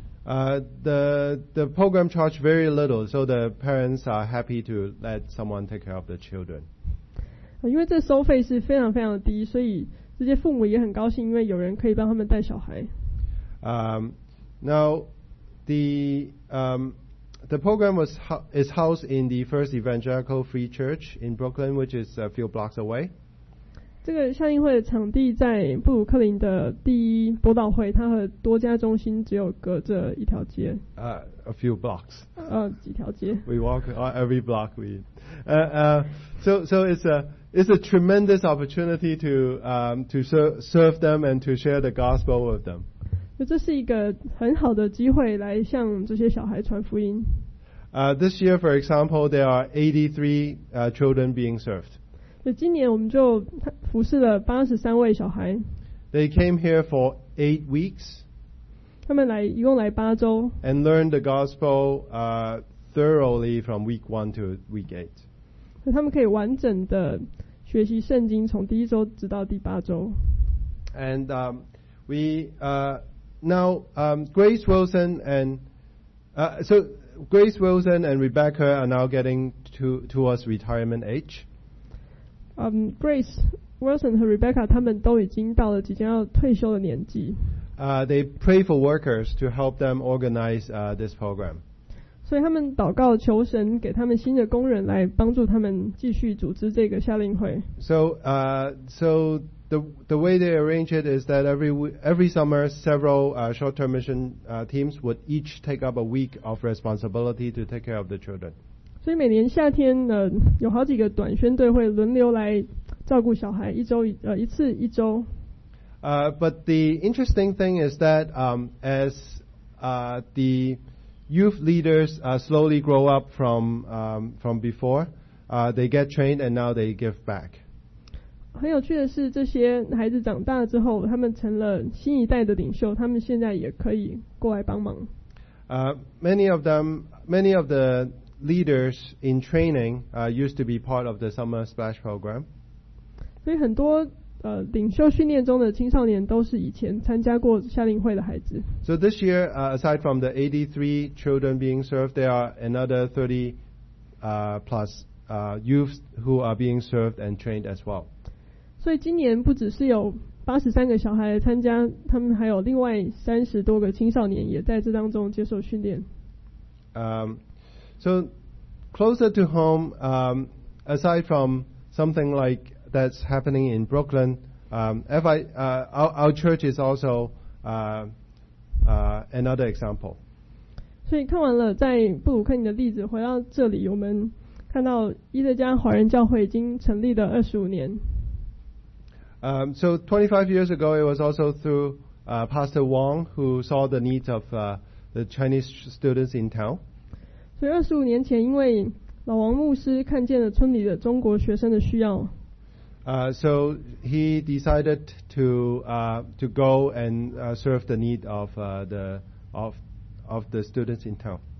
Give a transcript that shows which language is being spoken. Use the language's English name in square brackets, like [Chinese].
[English] The program charges very little, so the parents are happy to let someone take care of the children. [Chinese] 因为这收费是非常非常的低，所以这些父母也很高兴，因为有人可以帮他们带小孩。 [English] The program is housed in the First Evangelical Free Church in Brooklyn, which is a few blocks away. [Chinese] 这个夏令会的场地在布鲁克林的第一博导会，它和多家中心只有隔着一条街。 [English] A few blocks. [Chinese] 几条街。 [English] We walk every block we. So it's a tremendous opportunity to serve them and to share the gospel with them. [Chinese] 这是一个很好的机会来向这些小孩传福音。 [English] This year, for example, there are 83 children being served. [Chinese] 今年我们就服侍了83位小孩。 [English] They came here for 8 weeks. [Chinese] 他们来一共来八周。 [English] And learned the gospel thoroughly from week 1 to week 8. [Chinese] 他们可以完整的学习圣经，从第一周直到第八周。 [English] And Grace Wilson and Grace Wilson and Rebecca are now getting towards retirement age. [Chinese] Grace Wilson and Rebecca, 他们都已经到了即将要退休的年纪。 [English] They pray for workers to help them organize this program. [Chinese] 所以他们祷告求神给他们新的工人来帮助他们继续组织这个夏令会。 [English] So the way they arrange it is that every summer, several short-term mission teams would each take up a week of responsibility to take care of the children. [Chinese] 所以每年夏天有好几个短宣队会轮流来照顾小孩，一周一次。 [English] But the interesting thing is that the youth leaders slowly grow up from before, they get trained and now they give back. [Chinese] 很有趣的是，这些孩子长大之后，他们成了新一代的领袖，他们现在也可以过来帮忙。 [English] Many of the leaders in training used to be part of the summer splash program. [Chinese] 所以很多领袖训练中的青少年都是以前参加过夏令会的孩子。 [English] So this year, aside from the 83 children being served, there are another 30 plus youths who are being served and trained as well. [Chinese] 所以今年不只是有83个小孩参加，他们还有另外30多个青少年也在这当中接受训练。 [English] So closer to home, aside from something like that's happening in Brooklyn, our church is also another example. [Chinese] 所以看完了在布鲁克林的例子，回到这里，我们看到伊德加华人教会已经成立了25年。 [English] So 25 years ago, it was also through Pastor Wong who saw the needs of the Chinese students in town. [Chinese] So 25 年前，因为老王牧师看见了村里的中国学生的需要。 [English] So he decided to go and serve the need of the students in town.